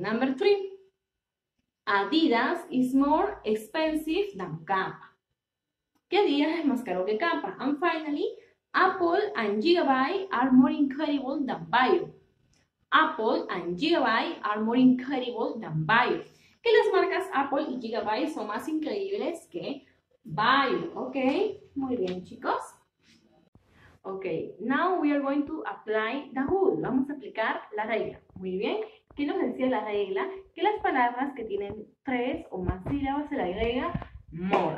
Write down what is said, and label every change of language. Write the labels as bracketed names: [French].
[English] Number three, Adidas is more expensive than Kappa. [Spanish] ¿Qué Adidas es más caro que Kappa? [English] And finally, Apple and Gigabyte are more incredible than Bio. Apple and Gigabyte are more incredible than Bio. [Spanish] ¿Qué las marcas Apple y Gigabyte son más increíbles que Bio? Ok, muy bien, chicos. [English] Ok, now we are going to apply the rule. [Spanish] Vamos a aplicar la regla. Muy bien. ¿Qué nos decía la regla? Que las palabras que tienen tres o más sílabas se le agrega more.